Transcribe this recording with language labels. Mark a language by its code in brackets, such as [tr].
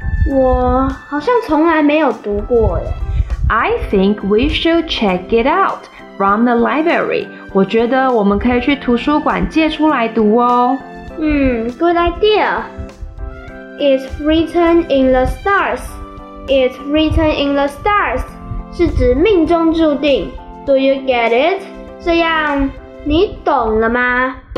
[zh] 我好像从来没有读过耶。 [en] I think we should check it out from the library. [zh] 我觉得我们可以去图书馆借出来读哦。 [en] Good idea. It's written in the stars. It's written in the stars. [zh] 是指命中注定。 [en] Do you get it? [zh] 这样你懂了吗？